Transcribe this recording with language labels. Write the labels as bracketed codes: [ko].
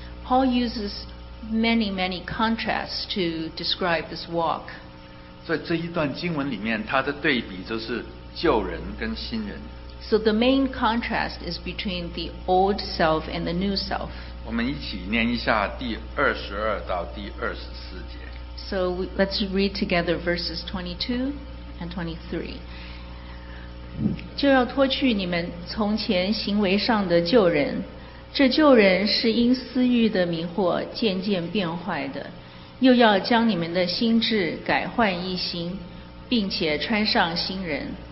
[en] Paul uses many contrasts to describe this walk. [zh] 在这一段经文里面，他的对比就是旧人跟新人。 [en] So the main contrast is between the old self and the new self. [zh] 我们一起念一下第二十二到第二十四节。 [en] So let's read together verses 22 and 23. [zh] 就要脱去你们从前行为上的旧人，这旧人是因私欲的迷惑渐渐变坏的，又要将你们的心智改换一新，并且穿上新人。